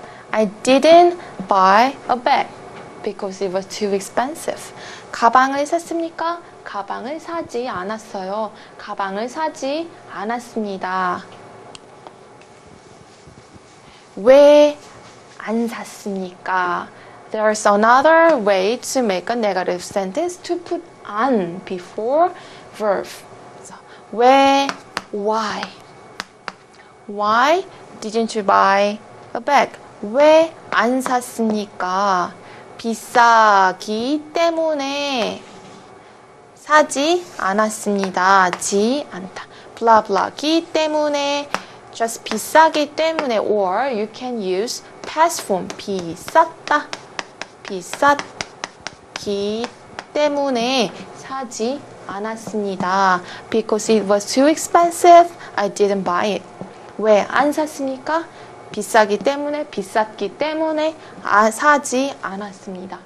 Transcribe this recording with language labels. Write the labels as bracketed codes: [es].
[en] I didn't buy a bag because it was too expensive. [ko] 가방을 샀습니까? 가방을 사지 않았어요. 가방을 사지 않았습니다. 왜 안 샀습니까? [en] There's another way to make a negative sentence to put 안 before verb. So, 왜, why? Why didn't you buy a bag? [ko] 왜 안 샀습니까? 비싸기 때문에 사지 않았습니다. [en] 지 않다. blah blah. 기 때문에 just [ko] 비싸기 때문에 [en] or you can use past form. [ko] 비쌌다. 비쌌기 때문에 사지 않았습니다. [en] Because it was too expensive, I didn't buy it. [ko] 왜 안 샀습니까? 비싸기 때문에, 비쌌기 때문에 사지 않았습니다.